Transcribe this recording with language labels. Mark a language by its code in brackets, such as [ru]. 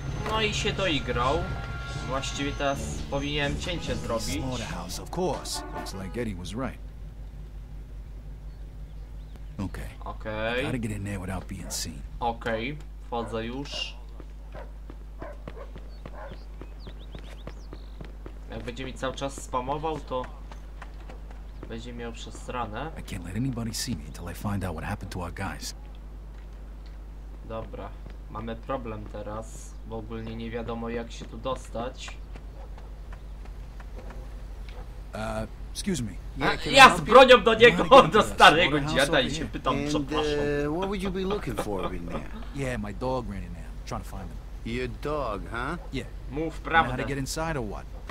[pl] No i się doigrał. Właściwie teraz powinienem cięcie zrobić. [en] Slaughterhouse, of course. Looks like Eddie was right. Okay. Okay. Gotta get in there without being seen. Okay. [pl] Wchodzę już. Jak będzie mi cały czas spamował, to będzie miał przesrane. [en] I can't let anybody see me until I find out what happened to our guys. [pl] Dobra. Mamy problem teraz, bo ogólnie nie wiadomo jak się tu dostać. [en] Excuse me. [pl] Ja z bronią do niego, do starego dziada i się pytam, przepraszam. [en] And what would you be looking for in there? Yeah, my dog ran in there. I'm trying to find him. Your dog, huh? Yeah. [pl] Mów prawdę. [en] How to get inside or what?